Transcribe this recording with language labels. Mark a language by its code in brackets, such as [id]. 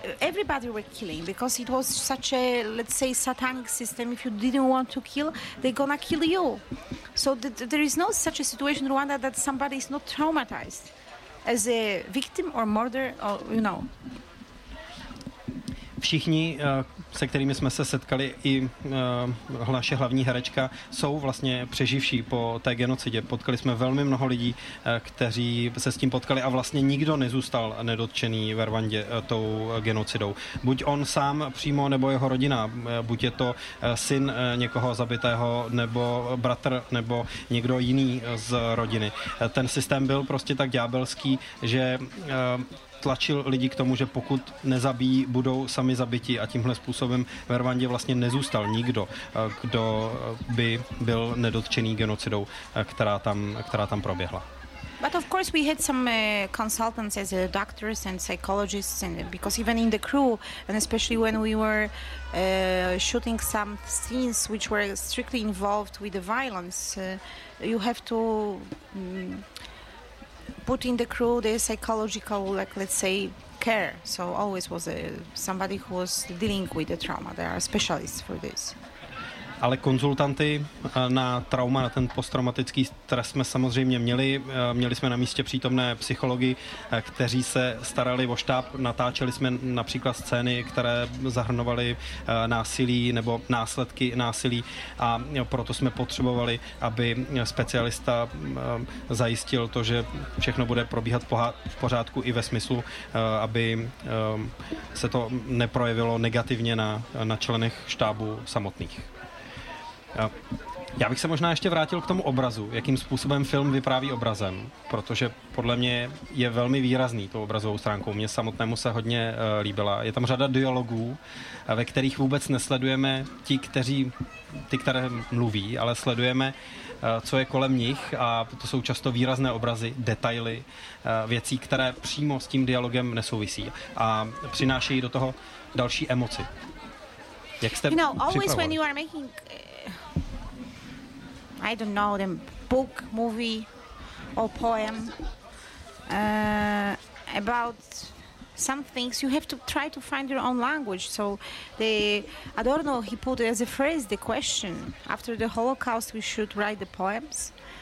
[en] Everybody were killing because it was such a, let's say, satanic system. If you didn't want to kill, they're gonna kill you. So there is no such a situation in Rwanda that somebody is not traumatized as a victim or murderer, or, you know. [cs] Všichni, se kterými jsme se setkali, i naše hlavní herečka, jsou vlastně přeživší po té genocidě. Potkali jsme velmi mnoho lidí, kteří se s tím potkali a vlastně nikdo nezůstal nedotčený ve Rwandě tou genocidou. Buď on sám přímo, nebo jeho rodina. Buď je to syn někoho zabitého, nebo bratr, nebo někdo jiný z rodiny. Ten systém byl prostě tak ďábelský, že... tlačil lidi k tomu, že pokud nezabijí, budou sami zabiti, a tímhle způsobem ve Rwandě vlastně nezůstal nikdo, kdo by byl nedotčený genocidou, která tam proběhla. [en] But of course we had some consultants as doctors and psychologists, and because even in the crew, and especially when we were shooting some scenes which were strictly involved with the violence, you have to put in the crew the psychological, like, let's say, care. So always was somebody who was dealing with the trauma. There are specialists for this. [cs] ale konzultanty na trauma, na ten posttraumatický stres jsme samozřejmě měli. Měli jsme na místě přítomné psychology, kteří se starali o štáb. Natáčeli jsme například scény, které zahrnovaly násilí nebo následky násilí, a proto jsme potřebovali, aby specialista zajistil to, že všechno bude probíhat v pořádku i ve smyslu, aby se to neprojevilo negativně na členech štábu samotných. Já bych se možná ještě vrátil k tomu obrazu, jakým způsobem film vypráví obrazem, protože podle mě je velmi výrazný tou obrazovou stránkou. Mně samotnému se hodně líbila. Je tam řada dialogů, ve kterých vůbec nesledujeme ty, které mluví, ale sledujeme, co je kolem nich, a to jsou často výrazné obrazy, detaily, věcí, které přímo s tím dialogem nesouvisí a přinášejí do toho další emoci. Jak jste připravovali? [en] I don't know the book, movie, or poem about some things. You have to try to find your own language. So the Adorno, he put as a phrase the question: after the Holocaust, we should write the poems.